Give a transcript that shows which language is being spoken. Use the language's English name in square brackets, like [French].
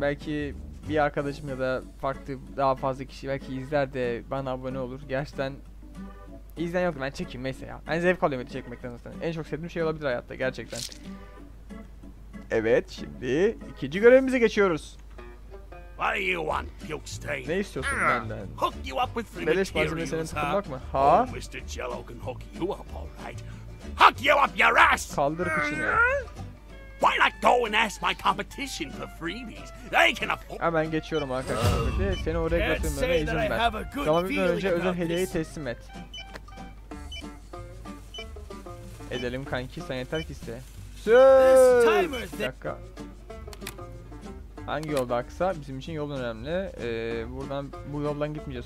[Turkish] Belki bir arkadaşım ya da farklı daha fazla kişi belki izler de bana abone olur. Gerçekten izleyen yok, ben çekeyim neyse ya. Ben zevk alıyorum video çekmekten zaten. En çok sevdiğim şey olabilir hayatta gerçekten. Evet, şimdi ikinci görevimize geçiyoruz. [English] What do you want, Pukestein? [Turkish] Ne istiyorsun benden? [English] Hook you up with the materials, huh? Ha? Oh, Mr. Jello can hook you up, all right. Hook you up your ass! [Turkish] Kaldır kuşunu. [English] Why not go and ask my competition for freebies? They can afford... [Turkish] Hemen geçiyorum arkadaşlar. Seni oraya götürmeme izin ver. Tamam, bir önce özel hediyeyi teslim et. Edelim kanki, sen yeter ki iste. Sööööö! Bir dakika. Hangi yolda aksa bizim için yol önemli. Buradan bu yoldan gitmeyeceğiz.